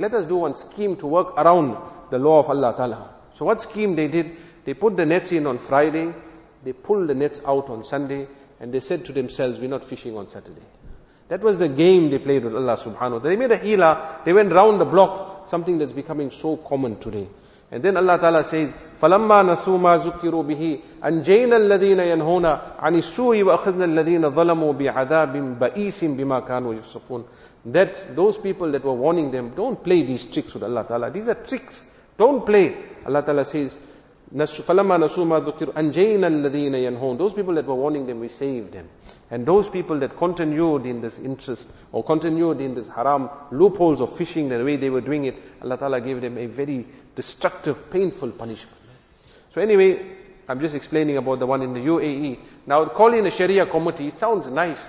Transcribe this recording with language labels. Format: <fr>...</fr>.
<en>Let us do one scheme to work around the law of Allah Ta'ala. So what scheme they did, they put the nets in on Friday, they pulled the nets out on Sunday, and they said to themselves, we're not fishing on Saturday. That was the game they played with Allah Subhanahu Wa Ta'ala. They made a hila, they went round the block, something that's becoming so common today. And then Allah Ta'ala says,</en> <ar>فَلَمَّا نَسُوا مَا ذُكِّرُوا بِهِ أَنْجَيْنَا الَّذِينَ يَنْهُونَ عَنِ السُّوءِ وَأَخَذْنَا الَّذِينَ ظَلَمُوا بِعَذَابٍ بَئِيسٍ بِمَا كَانُوا يَفْسُقُونَ.</ar> <en>That those people that were warning them, don't play these tricks with Allah Ta'ala. These are tricks. Don't play. Allah Ta'ala says,</en> <ar>فَلَمَّا نَسُوا مَا ذُكِّرُوا أَنْجَيْنَا الَّذِينَ يَنْهُونَ.</ar> <en>Those people that were warning them, we saved them. And those people that continued in this interest or continued in this haram loopholes of fishing, the way they were doing it, Allah Ta'ala gave them a very destructive, painful punishment. So anyway, I'm just explaining about the one in the UAE. Now, calling a Sharia committee, it sounds nice.</en>